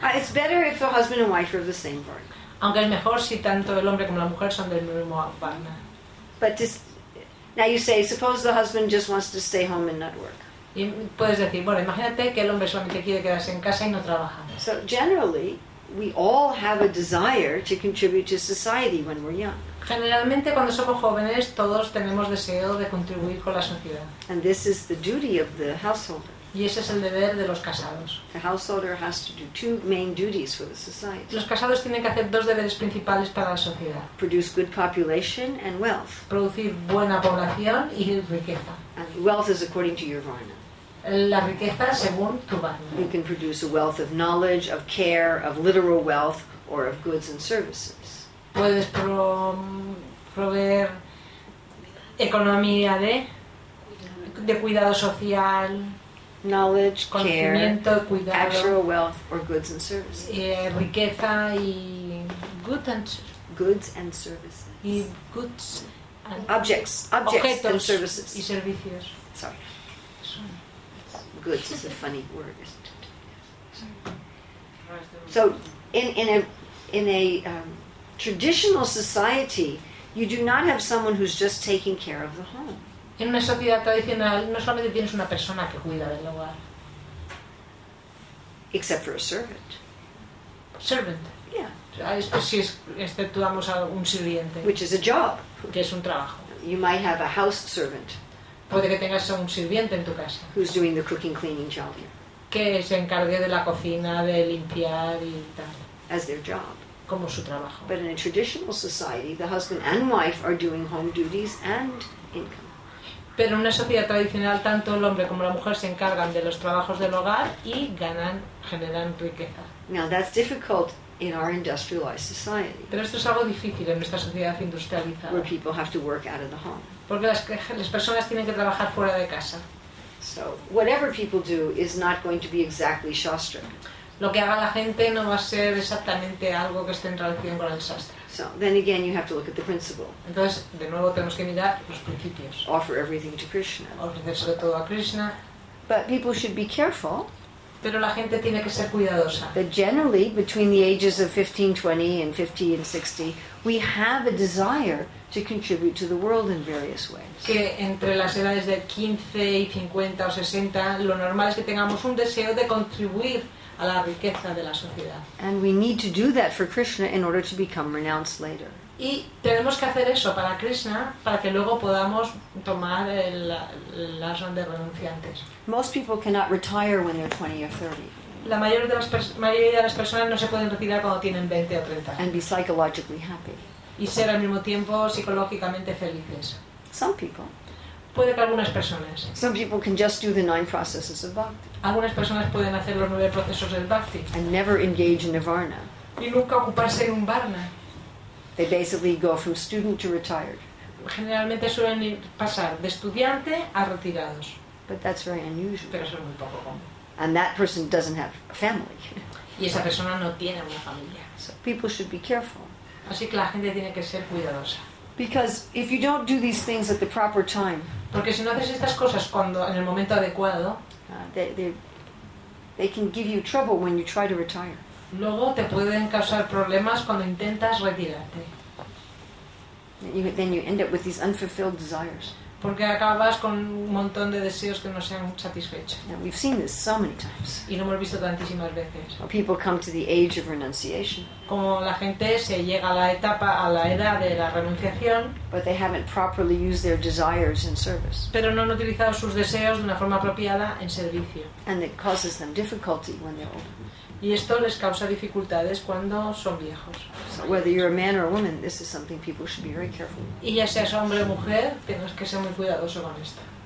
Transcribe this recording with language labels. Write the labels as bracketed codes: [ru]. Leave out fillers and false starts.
[en] It's better if the husband and wife are of the same varna. [es] Aunque es mejor si tanto el hombre como la mujer son del mismo varna. [en] But just now, you say, suppose the husband just wants to stay home and not work. [es] Y puedes decir, bueno, imagínate que el hombre solamente quiere quedarse en casa y no trabajar. [en] So generally, we all have a desire to contribute to society when we're young. [es] Generalmente, cuando somos jóvenes, todos tenemos deseo de contribuir con la sociedad. [en] And this is the duty of the householder. [es] Y ese es el deber de los casados. [en] The householder has to do 2 main duties for the society. [es] Los casados tienen que hacer 2 deberes principales para la sociedad. [en] Produce good population and wealth. [es] Producir buena población y riqueza. [en] And wealth is according to your varna. [es] La riqueza según tu varna. [en] You can produce a wealth of knowledge, of care, of literal wealth, or of goods and services. [es] Puedes proveer economía de cuidado social, [en] knowledge, [es] conocimiento, [en] care, [es] cuidado, [en] actual wealth or goods and services. [es] Riqueza y [en] goods and services. [es] Y [en] goods and objects and services. [es] Y servicios. [en] Sorry. Goods is a funny word. So in a traditional society, you do not have someone who's just taking care of the home. [es] En una sociedad tradicional, no solamente tienes una persona que cuida del hogar. [en] Except for a servant. Servant. Yeah. [es] Si exceptuamos a un sirviente. [en] Which is a job. [es] Que es un trabajo. [en] You might have a house servant. [es] Puede que tengas a un sirviente en tu casa. [en] Who's doing the cooking, cleaning job here. [es] Que se encargue de la cocina, de limpiar y tal. [en] As their job. [es] Como su trabajo. [en] But in a traditional society, the husband and wife are doing home duties and income. [es] Pero en una sociedad tradicional, tanto el hombre como la mujer se encargan de los trabajos del hogar y generan riqueza. [en] Now that's difficult in our industrialized society. [es] Pero esto es algo difícil en nuestra sociedad industrializada. [en] Where people have to work out of the home. [es] Porque las personas tienen que trabajar fuera de casa. [en] So whatever people do is not going to be exactly shastra. [es] Lo que haga la gente no va a ser exactamente algo que esté en relación con el sastra. [en] So, then again, you have to look at the principle. [es] Entonces, de nuevo tenemos que mirar los principios. [en] Offer everything to Krishna. [es] Ofrecérselo todo a Krishna. [en] But people should be careful. [es] pero la gente tiene que ser cuidadosa. [en] But generally, between the ages of 15, 20, and 50 and 60, we have a desire to contribute to the world in various ways. [es] Que entre las edades de 15 y 50 o 60, lo normal es que tengamos un deseo de contribuir a la riqueza de la sociedad. [en] And we need to do that for Krishna in order to become renounced later. [es] Y tenemos que hacer eso para Krishna para que luego podamos tomar el asan de renunciantes. [en] Most people cannot retire when they're 20 or 30. [es] La mayoría de las personas no se pueden retirar cuando tienen 20 o 30 años. [en] And be psychologically happy. [es] Y ser al mismo tiempo psicológicamente felices. [en] Some people. [es] Puede que algunas personas. [en] Some people can just do the 9 processes of bhakti. [es] Algunas personas pueden hacer los 9 procesos del bhakti. [en] And never engage in nirvana. [es] Y nunca ocuparse en un varna. [en] They basically go from student to retired. [es] Generalmente suelen pasar de estudiante a retirados. [en] But that's very unusual. [es] Pero eso es muy poco común. [en] And that person doesn't have a family. [es] Y esa persona no tiene una familia. [en] So people should be careful. [es] Así que la gente tiene que ser cuidadosa. [en] Because if you don't do these things at the proper time, [es] porque si no haces estas cosas cuando en el momento adecuado, [en] they can give you trouble when you try to retire. [es] Luego te pueden causar problemas cuando intentas retirarte. [en] Then you end up with these unfulfilled desires. [es] Porque acabas con un montón de deseos que no se han satisfecho. [en] Now, we've seen this so many times. [es] Y lo hemos visto tantísimas veces. [en] Well, people come to the age of renunciation. [es] Como la gente se llega a la etapa, a la edad de la renunciación. [en] But they haven't properly used their desires in service. [es] Pero no han utilizado sus deseos de una forma apropiada en servicio. [en] And it causes them difficulty when they're older. [es] Y esto les causa dificultades cuando son viejos. [en] So whether you're a man or a woman, this is something people should be very careful about. [es] Y ya seas hombre o mujer, tienes que ser muy cuidadoso con esto.